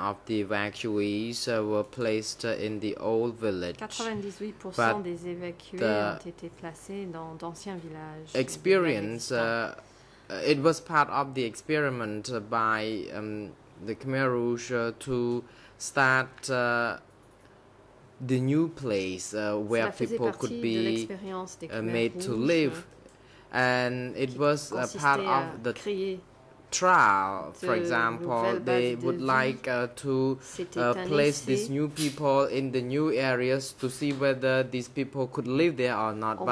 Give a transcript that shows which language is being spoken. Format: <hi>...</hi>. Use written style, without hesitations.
<en>of the evacuees were placed in the old village.</en> <fr>98% des évacués ont été placés dans d'anciens villages.</fr> <en>Experience, it was part of the experiment by the Khmer Rouge to start the new place where people could be made to live. And it was a part of the trial, for example, they would like to place these new people in the new areas to see whether these people could live there or not.</en>